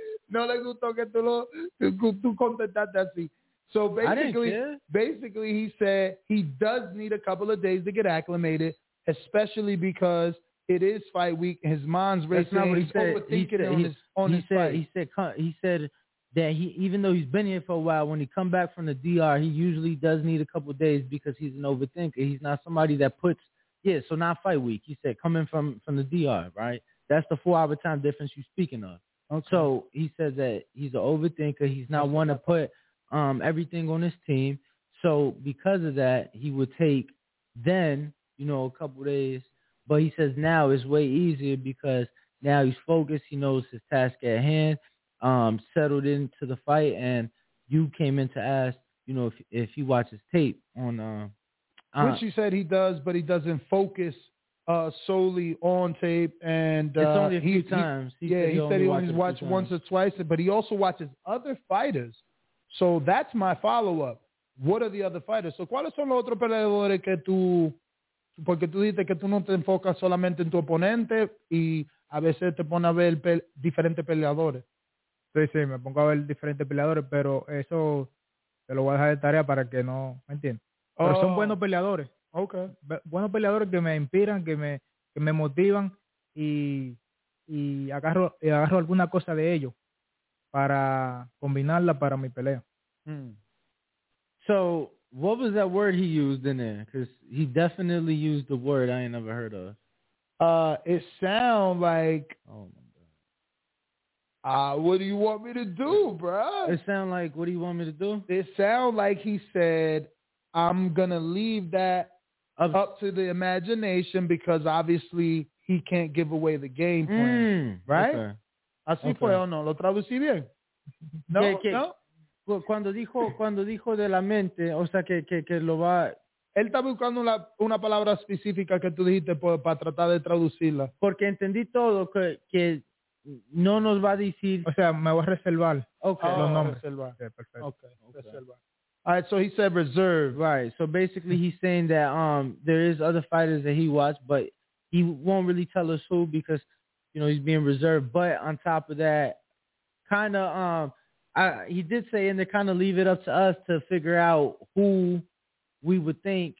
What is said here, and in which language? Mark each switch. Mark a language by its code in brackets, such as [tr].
[es] No le gustó que tú contestaste así. [en] So basically he said he does need a couple of days to get acclimated, especially because it is fight week. His mind's racing. That's not what he's overthinking it on his fight. He said that he, even though he's been here for a while, when he come back from the DR, he usually does need a couple of days because he's an overthinker. He's not somebody that puts, so not fight week. He said coming from the DR, right? That's the 4-hour time difference you're speaking of. Okay. So he says that he's an overthinker. He's not one to put everything on his team. So because of that, he would take then, you know, a couple of days. But he says now it's way easier because now he's focused. He knows his task at hand. settled into the fight, and you came in to ask, you know, if he watches tape on which he said he does, but he doesn't focus solely on tape. And it's only a few times. He said he only watched once or twice, but he also watches other fighters. So that's my follow-up. What are the other fighters? So, [es] ¿cuáles son los otros peleadores que tú... Porque tú dices que tú no te enfocas solamente en tu oponente y a veces te pones a ver diferentes peleadores. Sí, sí, me pongo a ver diferentes peleadores, pero eso te lo voy a dejar de tarea para que no... ¿Me entiendes? Pero son buenos peleadores. Ok. Buenos peleadores que me inspiran, que me motivan y agarro alguna cosa de ellos para combinarla para mi pelea. Hmm. [en] So, what was that word he used in there? Because he definitely used the word I ain't never heard of. It sounds like... Oh, my God. What do you want me to do, bro? It sounds like, what do you want me to do? It sounds like he said, I'm going to leave that up to the imagination because, obviously, he can't give away the game plan. Mm, right? Okay. [es] Así fue, ¿o no? ¿Lo traducí bien? No, que... no. Cuando dijo de la mente, o sea, que lo va... Él está buscando una palabra específica que tú dijiste para tratar de traducirla. Porque entendí todo, que no nos va a decir... O sea, me voy a reservar los nombres. Reservar. Okay, perfecto. Okay. Reservar. [en] All right, so he said reserve. Right, so basically he's saying that there is other fighters that he watched, but he won't really tell us who because, you know, he's being reserved. But on top of that, kind of... he did say, and they kind of leave it up to us to figure out who we would think.